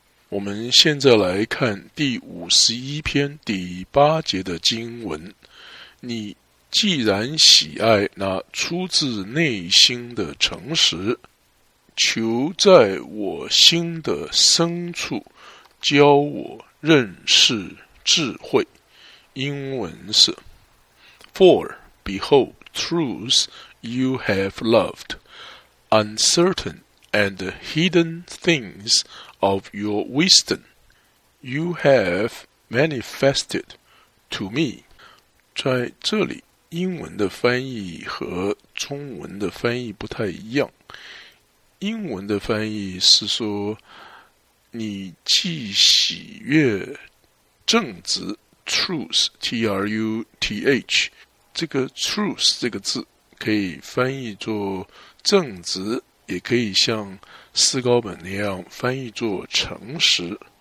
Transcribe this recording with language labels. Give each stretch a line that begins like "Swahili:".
Chinese: 我们现在来看第51篇第八节的经文，你既然喜爱那出自内心的诚实，求在我心的深处教我认识智慧。英文是
English: For Behold, truths you have loved, uncertain and hidden things of your wisdom, you have manifested to me.
Chinese: 在这里，英文的翻译和中文的翻译不太一样。英文的翻译是说，你既喜悦正直 truth truth， 这个 truth 这个字可以翻译作正直，也可以像斯高本那样翻译作诚实。